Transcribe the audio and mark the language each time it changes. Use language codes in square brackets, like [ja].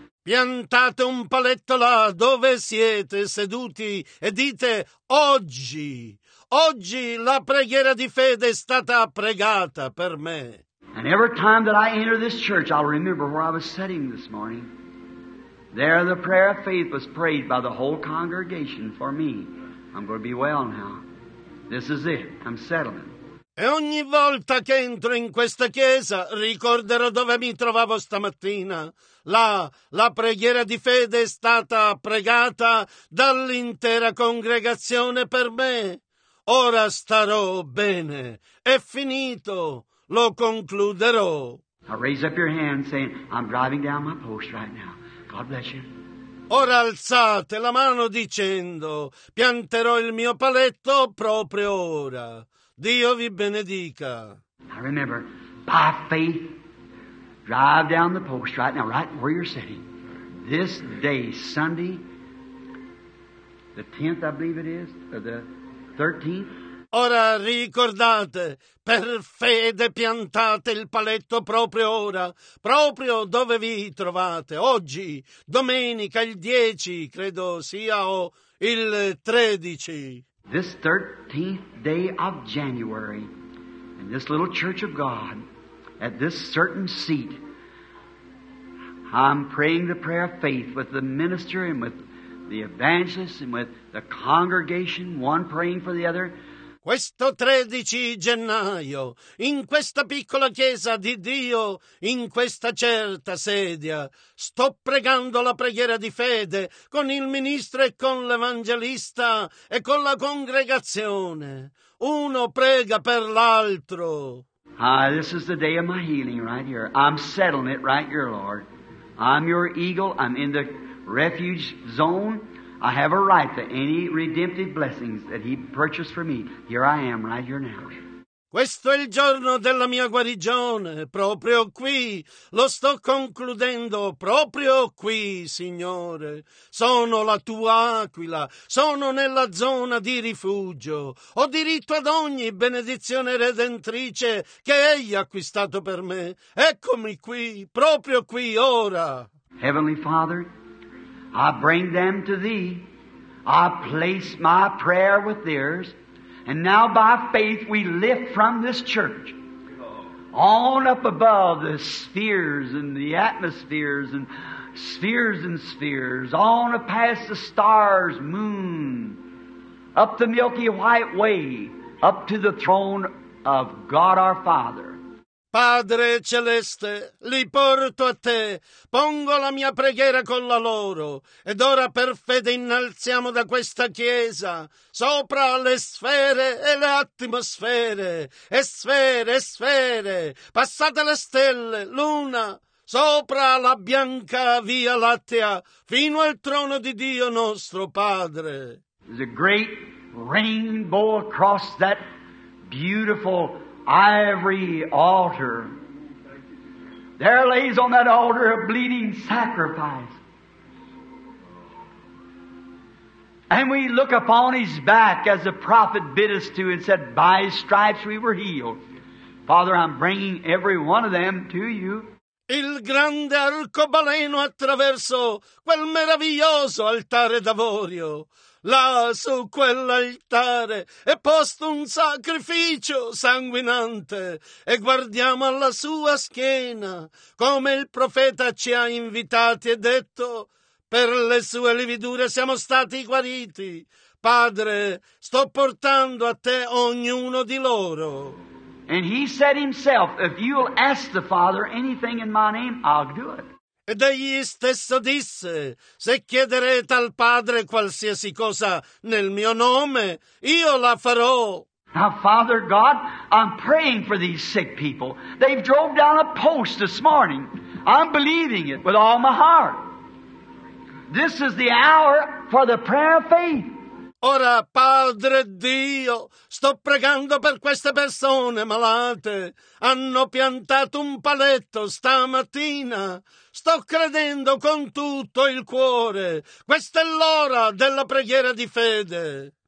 [it] Piantate un paletto là dove siete seduti e dite, oggi la preghiera di fede è stata pregata per me. [en] And every time that I enter this church, I'll remember where I was sitting this morning. There the prayer of faith was prayed by the whole congregation for me. I'm going to be well now. This is it. I'm settling. [it] E ogni volta che entro in questa chiesa ricorderò dove mi trovavo stamattina. Là, la preghiera di fede è stata pregata dall'intera congregazione per me. Ora starò bene. È finito. Lo concluderò. [en] Now raise up your hand saying, I'm driving down my post right now. God bless you. [it] Ora alzate la mano dicendo, pianterò il mio paletto proprio ora. Dio vi benedica. [en] Now remember, by faith, drive down the post right now, right where you're sitting. This day, Sunday, the 10th, I believe it is, or the 13th. [it] Ora ricordate, per fede piantate il paletto proprio ora, proprio dove vi trovate, oggi, domenica, il 10, credo sia, o il 13. [en] This 13th day of January, in this little church of God, at this certain seat, I'm praying the prayer of faith with the minister and with the evangelists and with the congregation, one praying for the other. [it] questo 13 gennaio, in questa piccola chiesa di Dio, in questa certa sedia, sto pregando la preghiera di fede con il ministro e con l'evangelista e con la congregazione. Uno prega per l'altro. [en] This is the day of my healing right here. I'm settling it right here, Lord. I'm your eagle. I'm in the refuge zone. I have a right to any redemptive blessings that He purchased for me. Here I am, right here now. [it] Questo è il giorno della mia guarigione, proprio qui. Lo sto concludendo, proprio qui, Signore. Sono la tua aquila, sono nella zona di rifugio. Ho diritto ad ogni benedizione redentrice che Egli ha acquistato per me. Eccomi qui, proprio qui, ora. [en] Heavenly Father, I bring them to Thee. I place my prayer with theirs. And now by faith we lift from this church on up above the spheres and the atmospheres and spheres and spheres, on up past the stars, moon, up the Milky White Way, up to the throne of God our Father. [it] Padre celeste, li porto a te, pongo la mia preghiera con la loro, ed ora per fede innalziamo da questa chiesa, sopra le sfere e le atmosfere, e sfere, e sfere, passate le stelle, luna, sopra la bianca via lattea, fino al trono di Dio nostro Padre. [en] The great rainbow across that beautiful ivory altar. There lays on that altar a bleeding sacrifice. And we look upon his back as the prophet bid us to and said, by his stripes we were healed. Father, I'm bringing every one of them to you. [it] Il grande arcobaleno attraverso quel meraviglioso altare d'avorio. Là su quell'altare è posto un sacrificio sanguinante e guardiamo alla sua schiena come il profeta ci ha invitati e detto per le sue lividure siamo stati guariti. Padre, sto portando a te ognuno di loro. [en] And he said himself, if you'll ask the Father anything in my name, I'll do it. [it] Ed egli stesso disse, se chiederete al Padre qualsiasi cosa nel mio nome, io la farò. [en] Now, Father God, I'm praying for these sick people. They've drove down a post this morning. I'm believing it with all my heart. This is the hour for the prayer of faith. [it] Ora, Padre Dio, sto pregando per queste persone malate. Hanno piantato un paletto stamattina. Sto credendo con tutto il cuore. Questa è l'ora della preghiera di fede.